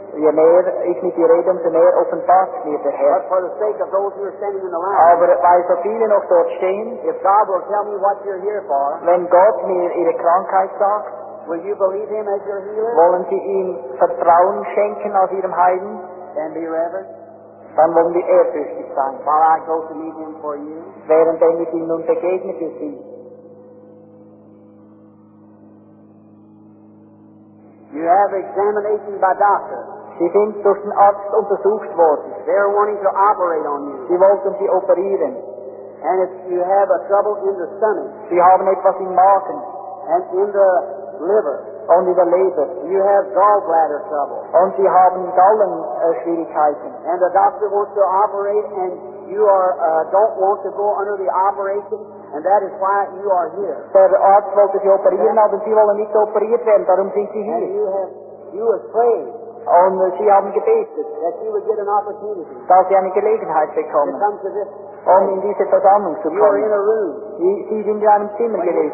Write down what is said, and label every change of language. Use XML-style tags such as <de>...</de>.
<de>Je mehr ich mit ihr rede, umso mehr offenbart mir der Herr.</de> <en>But for the sake of those who are standing in the line.</en> <de>Aber weil so viele noch dort stehen.</de> <en>If God will tell me what you're here for.</en> <de>Wenn Gott mir ihre Krankheit sagt.</de> <en>Will you believe him as your healer?</en> <de>Wollen Sie ihm Vertrauen schenken aus ihrem Heilen?</de> <en>And be reverent.</en> <de>Dann wollen wir ehrfürchtig sein.</de> <en>While I go to meet him for you.</en> <de>Während ich ihm nun begegne für Sie.</de> <en>You have examination by doctor.</en> <de>Sie sind durch den Arzt untersucht worden.</de> <en>They are wanting to operate on you.</en> <de>Sie wollten Sie operieren.</de> <en>And if you have a trouble in the stomach.</en> <de>Sie haben etwas im Magen.</de> <en>And in the liver.</en> <de>Und in der Leber.</de> <en>You have gallbladder trouble.</en> <de>Und Sie haben Gallenschwierigkeiten.</de> <en>And the doctor wants to operate and you are don't want to go under the operation. And that is why you are here.</en> <de>Der Arzt wollte Sie operieren, aber Sie wollen nicht operiert werden. Darum sind Sie hier.</de> <en>And you have prayed.</en> <de>Und Sie haben gebetet.</de> <en>That you would get an opportunity.</en> <de>Dass Sie eine Gelegenheit bekommen.</de> <en>To come to this.</en> <de>Um in diese Versammlung zu kommen.</de> <en>You are in a room.</en> <de>Sie sind in einem Zimmer gewesen.</de>